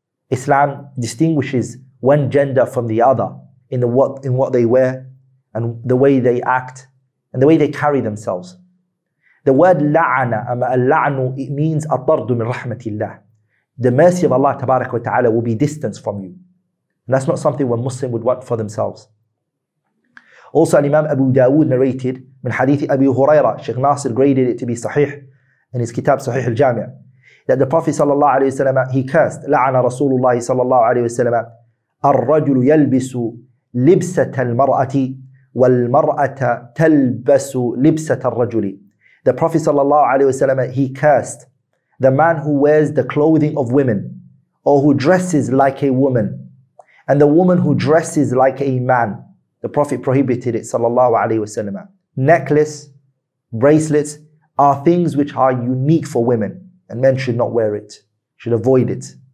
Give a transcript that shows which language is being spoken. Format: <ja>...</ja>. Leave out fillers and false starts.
<en>Islam distinguishes one gender from the other in what they wear, and the way they act, and the way they carry themselves. The word la'ana, al-la'anu, it means</en> <ar>at-tardu min rahmatillah.</ar> <en>The mercy of Allah tabarak wa ta'ala will be distanced from you. And that's not something a Muslim would want for themselves. Also, Imam Abu Dawood narrated</en> <ar>من حديث أبي هريرة,</ar> <en>Sheikh Nasir graded it to be</en> <ar>صحيح</ar> <en>in his kitab</en> <ar>صحيح الجامع,</ar> <en>that the Prophet</en> <ar>صلى الله عليه وسلم,</ar> <en>he cursed,</en> <ar>لعن رسول الله صلى الله عليه وسلم الرجل يلبس لبسة المرأة والمرأة تلبس لبسة الرجل.</ar> <en>The Prophet</en> <ar>صلى الله عليه وسلم,</ar> <en>he cursed the man who wears the clothing of women, or who dresses like a woman, and the woman who dresses like a man. The Prophet prohibited it</en> <ar>صلى الله عليه وسلم.</ar> <en>Necklace, bracelets are things which are unique for women, and men should not wear it, should avoid it.</en>